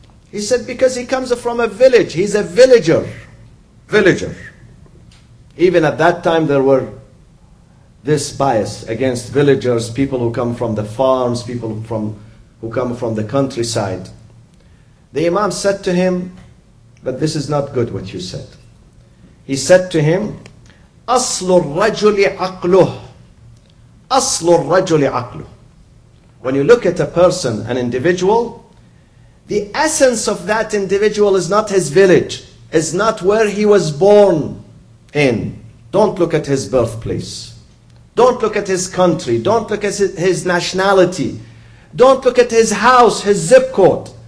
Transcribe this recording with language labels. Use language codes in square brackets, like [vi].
[en] He said, because he comes from a village. He's a villager. Villager. Even at that time, there were this bias against villagers, people who come from the farms, people from who come from the countryside. The Imam said to him, but this is not good what you said. He said to him, [ar] أَصْلُ الرَّجُلِ عَقْلُهُ أَصْلُ الرَّجُلِ عَقْلُهُ. [en] When you look at a person, an individual, the essence of that individual is not his village, is not where he was born in. Don't look at his birthplace. Don't look at his country. Don't look at his nationality. Don't look at his house, his zip code.